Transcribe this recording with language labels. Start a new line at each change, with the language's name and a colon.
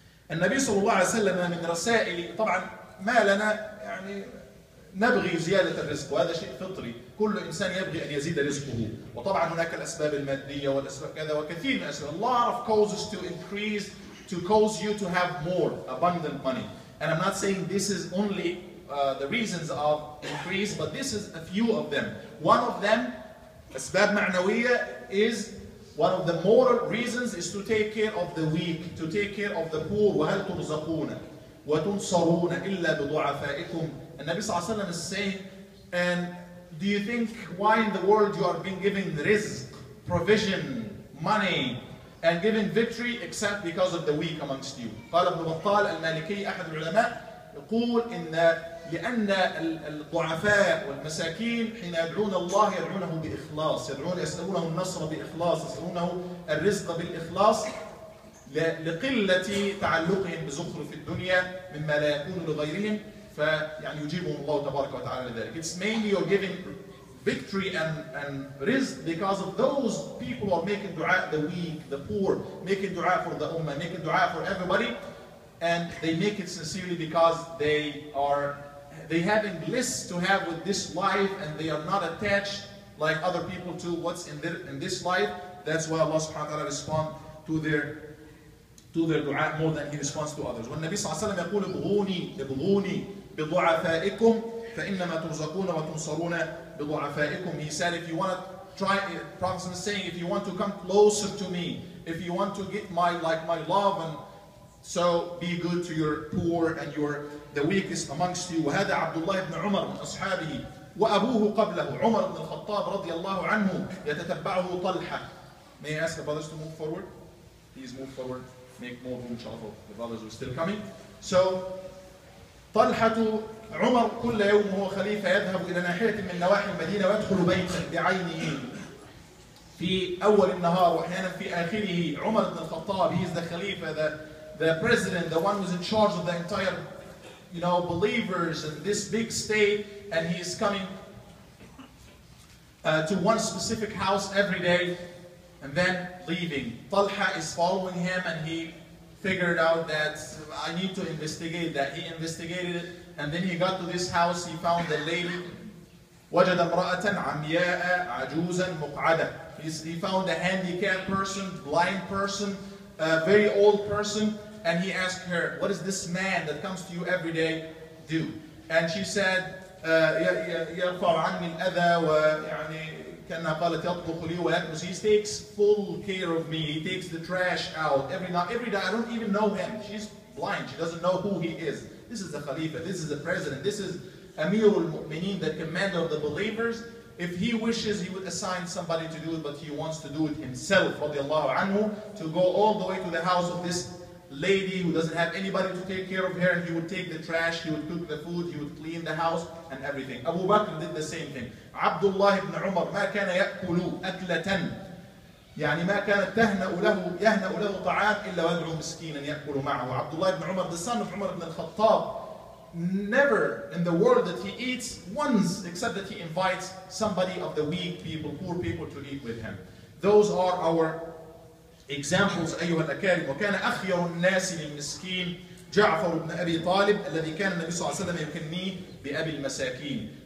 Arabic: النبي صلى الله عليه وسلم من رسائل طبعا ما لنا يعني نبغي زيادة الرزق وهذا شيء فطري كل إنسان يبغي أن يزيد رزقه وطبعا هناك الأسباب المادية والأسباب كذا وكثير من أسباب.
English: A lot of causes to increase to cause you to have more abundant money and I'm not saying this is only the reasons of increase but this is a few of them. One of them
Arabic: أسباب معنوية
English: is one of the moral reasons is to take care of the weak, to take care of the poor.
Arabic: وهل ترزقون وتنصرون إلا بضعفائكم. النبي صلى الله عليه وسلم
English: is saying, and do you think why in the world you are being given rizq, provision, money, and given victory except because of the weak amongst you?
Arabic: قال ابن بطال المالكي أحد العلماء يقول إن لأن الضعفاء والمساكين حين يدعون الله يدعونه بإخلاص يدعون يسألونه النصر بإخلاص يسألونه الرزق بالإخلاص لقلة تعلقهم بزخرف الدنيا مما لا يكون لغيرهم فيعني يجيبهم الله تبارك وتعالى لذلك.
English: It's mainly you're giving victory and rizq because of those people who are making dua, the weak, the poor, making dua for the ummah, making dua for everybody. And they make it sincerely because they having bliss to have with this life and they are not attached like other people to what's in this life. That's why Allah subhanahu wa ta'ala responds to their dua more than he responds to others.
Arabic: When Nabi sallallahu alayhi wa sallam يقول ابغوني بضعفائكم فإنما ترزقون وتنصرون بضعفائكم.
English: He said if you want to try, Prophet is saying if you want to come closer to me, if you want to get my love and so be good to your poor and your the weakest amongst you.
Arabic: وهذا عبد الله بن عمر من أصحابه وأبوه قبله عمر بن الخطاب رضي الله عنه يتتبعه طلحة.
English: May I ask the brothers to move forward? Please move forward. Make more room, inshallah. The brothers are still coming.
Arabic: So طلحة عمر كل يوم هو خليفة يذهب إلى ناحية من نواحي المدينة ويدخل بيتا بعينه في أول النهار وأحيانا في آخره.
English: عمر بن الخطاب, he is the خليفة, the president, the one who's in charge of the entire, you know, believers in this big state, and he is coming to one specific house every day, and then leaving. Talha is following him, and he figured out that I need to investigate that. He investigated it, and then he got to this house, he found the lady.
Arabic: وجد امرأةً عمياء عجوزًا مقعدة.
English: He found a handicapped person, blind person, a very old person, and he asked her, what is this man that comes to you every day do? And she said,
Arabic: يرفع عني الأذى ويعني كأنها قالت يطبخ لي ويأكل.
English: He takes full care of me. He takes the trash out every day. I don't even know him. She's blind. She doesn't know who he is. This is the Khalifa. This is the president. This is Amir al-Mu'mineen, the commander of the believers. If he wishes, he would assign somebody to do it, but he wants to do it himself, radiallahu anhu, to go all the way to the house of this lady who doesn't have anybody to take care of her, and he would take the trash, he would cook the food, he would clean the house, and everything. Abu Bakr did the same thing.
Arabic: Abdullah ibn Umar, ما كان يأكل أكلةً يعني ما كانت يهنأ له طعام إلا ويدعو مسكيناً يأكل معه.
English: Abdullah ibn Umar, the son of Umar ibn al-Khattab, never in the world that he eats once except that he invites somebody of the weak people, poor people to eat with him. Those are our examples,
Arabic: أيها الأكارم. وكان أخير الناس للمسكين جعفر بن أبي طالب الذي كان النبي صلى الله عليه وسلم يكنيه بأبي المساكين.